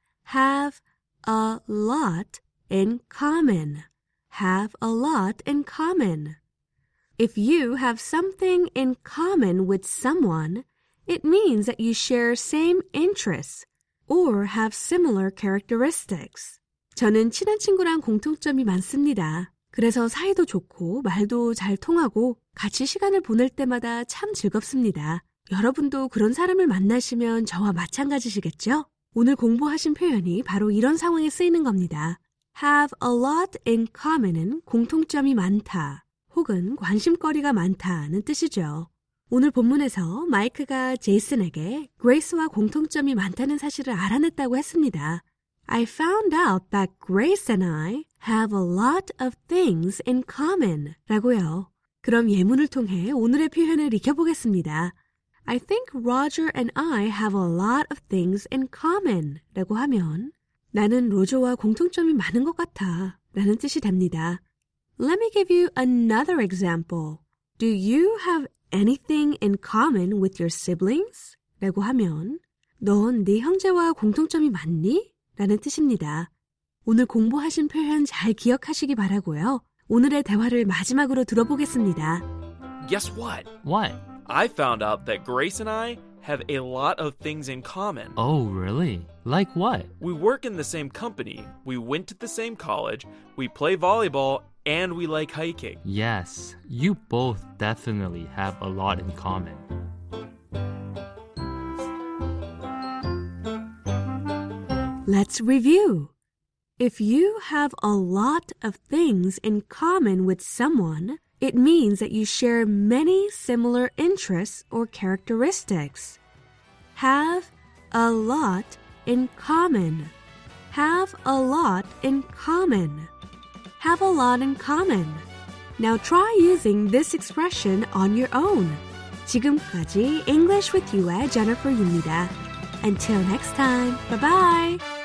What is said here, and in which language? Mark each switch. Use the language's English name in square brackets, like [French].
[English] Have a lot in common. Have a lot in common. If you have something in common with someone, it means that you share same interests or have similar characteristics. [Korean] 저는 친한 친구랑 공통점이 많습니다. 그래서 사이도 좋고 말도 잘 통하고 같이 시간을 보낼 때마다 참 즐겁습니다. 여러분도 그런 사람을 만나시면 저와 마찬가지시겠죠? 오늘 공부하신 표현이 바로 이런 상황에 쓰이는 겁니다. [English] Have a lot in common [Korean] 은 공통점이 많다 혹은 관심거리가 많다는 뜻이죠. 오늘 본문에서 마이크가 제이슨에게 Grace와 공통점이 많다는 사실을 알아냈다고 했습니다. [English] I found out that Grace and I have a lot of things in common [Korean] 라고요. 그럼 예문을 통해 오늘의 표현을 익혀보겠습니다. [English] I think Roger and I have a lot of things in common [Korean] 라고 하면 나는 로저와 공통점이 많은 것 같아 라는 뜻이 됩니다. [English] Let me give you another example. Do you have anything in common with your siblings? [Korean] 라고 하면 넌 네 형제와 공통점이 많니? 라는 뜻입니다. 오늘 공부하신 표현 잘 기억하시기 바라고요. 오늘의 대화를 마지막으로 들어보겠습니다. [English] Guess what? What? I found out that Grace and I have a lot of things in common. Oh, really? Like what? We work in the same company, we went to the same college, we play volleyball, and we like hiking. Yes, you both definitely have a lot in common. Let's review. If you have a lot of things in common with someone, it means that you share many similar interests or characteristics. Have a lot in common. Have a lot in common. Have a lot in common. Now try using this expression on your own. [Korean] 지금까지 English with you의 제니퍼입니다. [English] Until next time, bye-bye.